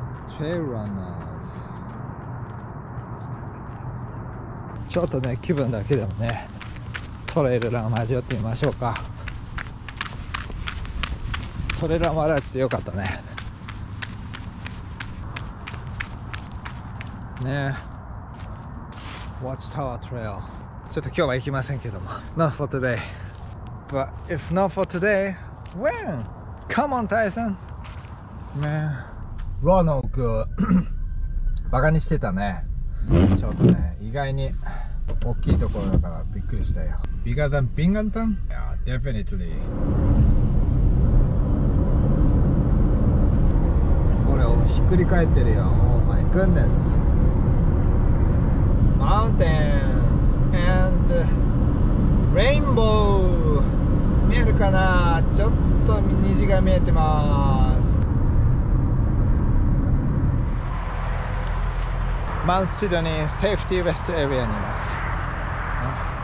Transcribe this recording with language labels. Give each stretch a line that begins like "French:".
Japanese: おっ、トレイルランナーズ。ちょっとね、気分だけでもね、トレイルランを味わってみましょうか。トレイルランもあるらしくてよかったね。ねえ、Watch Tower Trail。ちょっと今日は行きませんけども、
English: Not for today。But if not for today, when? Come on, Tyson!
Japanese: Man, Ronald 君バカにしてたね。ちょっとね、意外に大きいところだからびっくりしたよ。
English: Bigger than Binghamton? Yeah, definitely。
Japanese: これをひっくり返ってるよ。
English: Oh my goodnessMountains and rainbow。
Japanese: 見えるかな。ちょっと虹が見えてます。 Mount Sydney Safety Rest Area にいます。